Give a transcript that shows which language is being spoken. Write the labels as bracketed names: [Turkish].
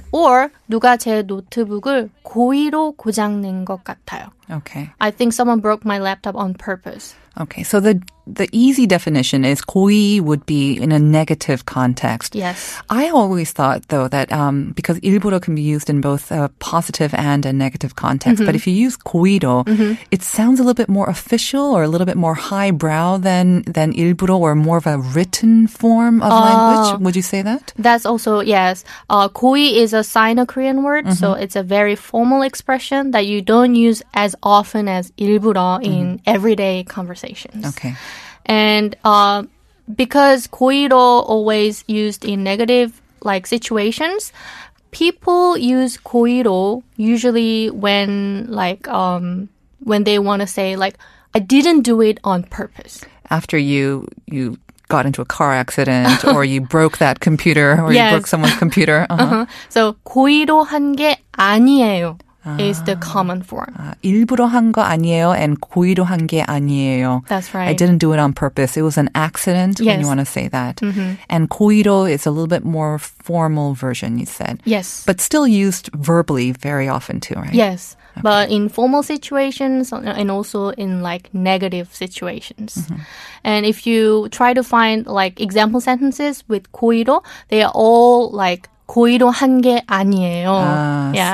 [Korean] Or 누가 제 노트북을 고의로 고장 낸 것 같아요. [English] Okay. I think someone broke my laptop on purpose. Okay. So the easy definition is 고의 would be in a negative context. Yes. I always thought though that because 일부러 can be used in both a positive and a negative context, mm-hmm. but if you use 고의로, mm-hmm. it sounds a little bit more official or a little bit more highbrow than 일부러 or more of a written form of language. Would you say that? That's also yes. 고의 is a Sino-Korean word, mm-hmm. so it's a very formal expression that you don't use as often as 일부러 mm-hmm. in everyday conversations. Okay. And because 고의로 always used in negative like situations, people use 고의로 usually when they want to say like I didn't do it on purpose. After you got into a car accident or you broke that computer or yes. you broke someone's computer. [Korean] So 고의로 한 게 아니에요. [English] Is the common form. [Korean] 일부러 한 거 아니에요 and 고의로 한 게 아니에요. [English] That's right. I didn't do it on purpose. It was an accident yes. when you want to say that. Mm-hmm. And 고의로 is a little bit more formal version, you said. Yes. But still used verbally very often too, right? Yes. Okay. But in formal situations and also in like negative situations. Mm-hmm. And if you try to find like example sentences with 고의로, they are all like [Korean] 고의로 한 게 아니에요.